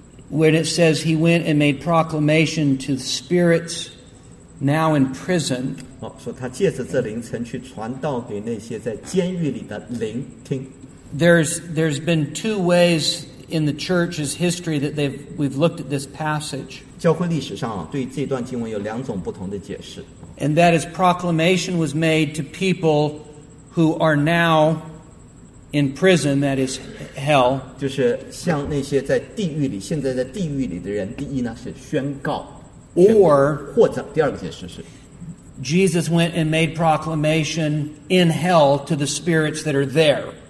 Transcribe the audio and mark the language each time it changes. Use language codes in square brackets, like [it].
[en] when it says he went and made proclamation to the spirits now in prison, [zh] 哦, 说他借着这灵程去传道给那些在监狱里的灵听。 [en] There's been two ways in the church's history that we've looked at this passage. [zh] 教会历史上啊，对这段经文有两种不同的解释。 [en] And that is proclamation was made to people who are now in prison, that is hell. [zh] 就是像那些在地狱里，现在在地狱里的人，第一呢是宣告。 [en] Or, [zh] 或者第二个解释是, [en] Jesus went and made proclamation in hell to the spirits that are there.